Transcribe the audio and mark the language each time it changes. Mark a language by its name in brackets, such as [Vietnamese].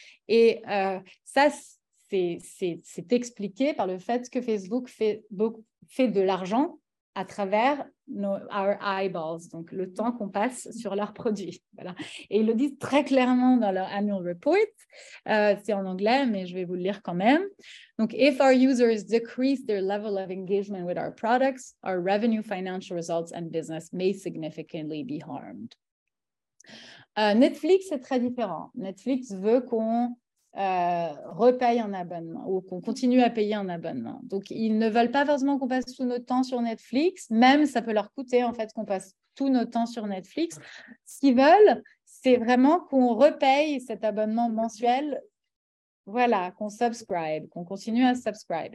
[French] Et ça, c'est expliqué par le fait que Facebook fait de l'argent à travers [English] our eyeballs, [French] donc le temps qu'on passe sur leurs produits. Voilà. Et ils le disent très clairement dans leur [English] annual report. [French] C'est en anglais, mais je vais vous le lire quand même. Donc, [English] if our users decrease their level of engagement with our products, our revenue, financial results and business may significantly be harmed. [French] Netflix est très différent. Netflix veut qu'on repaye un abonnement ou qu'on continue à payer un abonnement. Donc, ils ne veulent pas forcément qu'on passe tout notre temps sur Netflix, même ça peut leur coûter en fait qu'on passe tout notre temps sur Netflix. Ce qu'ils veulent, c'est vraiment qu'on repaye cet abonnement mensuel, voilà, qu'on subscribe, qu'on continue à subscribe.